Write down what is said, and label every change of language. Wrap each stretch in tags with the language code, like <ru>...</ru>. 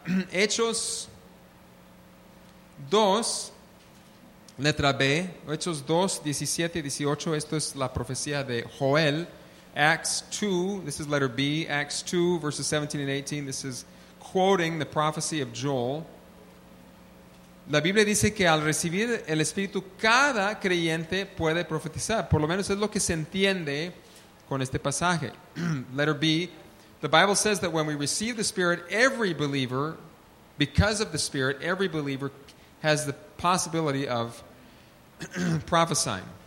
<es>Hechos 2, letra B, Hechos 2, 17 y 18, esto es la profecía de Joel.</es> <en>Acts 2, this is letter B, Acts 2, verses 17 and 18, this is quoting the prophecy of Joel.</en> <es>La Biblia dice que al recibir el Espíritu, cada creyente puede profetizar. Por lo menos es lo que se entiende con este pasaje.</es> <en>Letter B. The Bible says that when we receive the Spirit, every believer, because of the Spirit, every believer has the possibility of prophesying.</en>